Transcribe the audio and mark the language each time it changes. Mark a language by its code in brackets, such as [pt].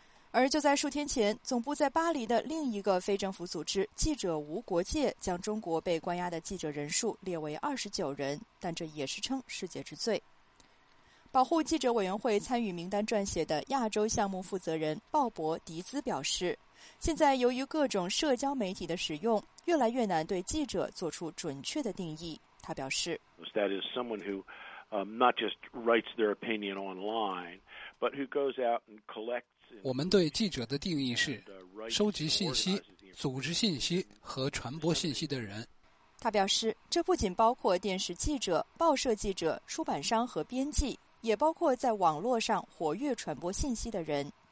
[zh] 而就在数天前，总部在巴黎的另一个非政府组织记者无国界将中国被关押的记者人数列为29人，但这也是称世界之最。保护记者委员会参与名单撰写的亚洲项目负责人鲍勃·迪兹表示，现在由于各种社交媒体的使用，越来越难对记者做出准确的定义。他表示 [en] ，That is someone who not just writes their opinion online, but who goes out and collects. [zh] 我们对记者的定义是收集信息、组织信息和传播信息的人。他表示，这不仅包括电视记者、报社记者、出版商和编辑，也包括在网络上活跃传播信息的人。